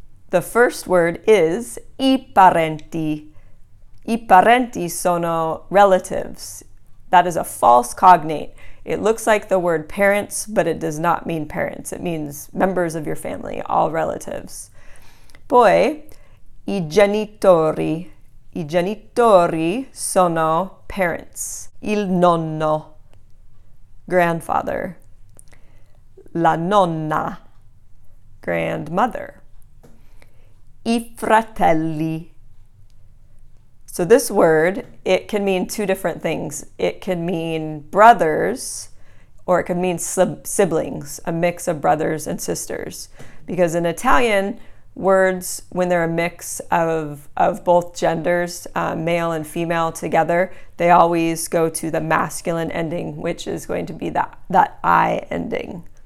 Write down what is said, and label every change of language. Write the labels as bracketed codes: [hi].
[en] The first word is i parenti. [it] I parenti sono [en] relatives. That is a false cognate. It looks like the word parents, but it does not mean parents. It means members of your family, all relatives. [it] Poi, i genitori sono parents, il nonno, grandfather, la nonna, grandmother, i fratelli. [en] So this word, it can mean two different things. It can mean brothers, or it can mean siblings, a mix of brothers and sisters, because in Italian, words, when they're a mix of both genders, male and female together, they always go to the masculine ending, which is going to be that I ending.